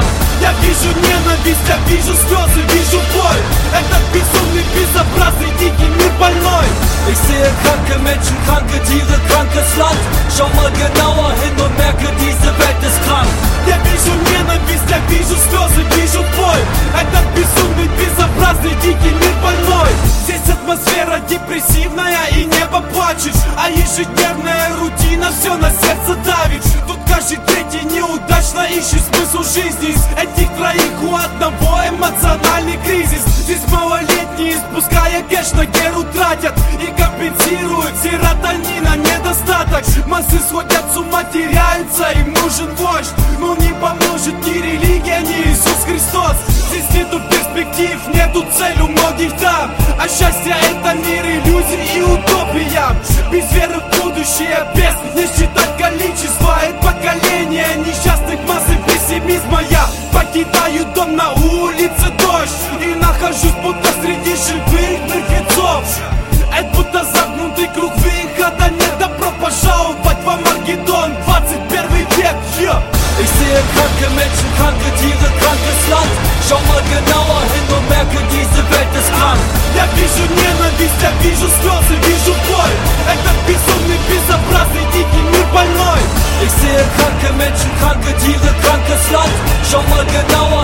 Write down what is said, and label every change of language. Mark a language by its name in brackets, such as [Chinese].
[Russian] вижу ненависть, я вижу слезы, вижу боль. Этот безумный, безобразный, дикий мир больной. [German] Ich sehe kranke Menschen, kranke Tiere, krankes Land. Schau mal genauer hin und merke, diese Welt ist krank. [Russian] Я вижу ненависть, я вижу слезы, вижу боль. Этот безумный, безобразный, дикий мир больной. Здесь атмосфера депрессивная и небо плачет. А ежедневная рутина все на сердце давит. Тут каждый третий неудачно ищет смысл жизни. Этих троих у одного эмоциональный кризис. Здесь малолетние, спуская кэш, на геру тратят и компенсируют серотонина недостаток. Массы сходят с ума, теряются, им нужен вождь. Но не поможет ни религия, ни Иисус Христос. Здесь нету перспектив, нету цель у многих там. А счастье — это мир иллюзий и утопия. Без веры в будущее, без не считать количество. И поколение несчастных масс и пессимизма. Я покидаю дом, на улице дождь, и нахожусь будто среди живых мертвецов. Это будто загнутый круг выхода. Нет, добро пожаловать в Армагеддон, 21 век. [German] Ich sehe kranke Menschen, kranke Tiere, krankes Land. Schau mal genauer hin und merke, diese Welt ist krank. [Russian] Я вижу ненависть, я вижу слезы, вижу боль. Этот безумный, безобразный, дикий мир больной. [German] Ich sehe kranke Menschen, kranke Tiere, krankes Land. Schau mal genauer hin und merke, diese Welt ist krank.